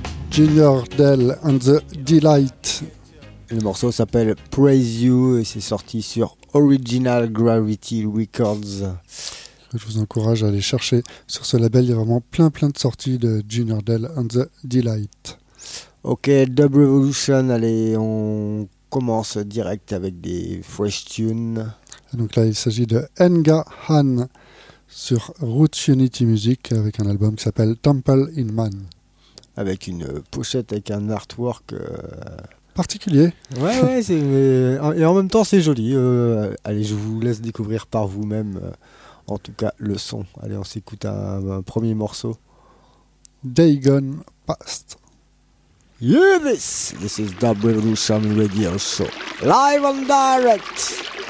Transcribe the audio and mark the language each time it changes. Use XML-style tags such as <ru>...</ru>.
<en>Junior Dell and the Delight.</en> <fr>Le morceau s'appelle Praise You et c'est sorti sur Original Gravity Records. Je vous encourage à aller chercher sur ce label, il y a vraiment plein de sorties de Junior Dell and the Delight. Ok, Dub Revolution, allez, on commence direct avec des fresh tunes. Et donc là, il s'agit de Enga Han sur Roots Unity Music avec un album qui s'appelle Temple in Man. Avec une pochette avec un artwork particulier. Ouais, c'est, mais, et en même temps, c'est joli. Allez, je vous laisse découvrir par vous-même, en tout cas, le son. Allez, on s'écoute un premier morceau.</fr> <en>Day Gone Past. Yeah, this is Dub Revolution Radio Show, live and direct.</en>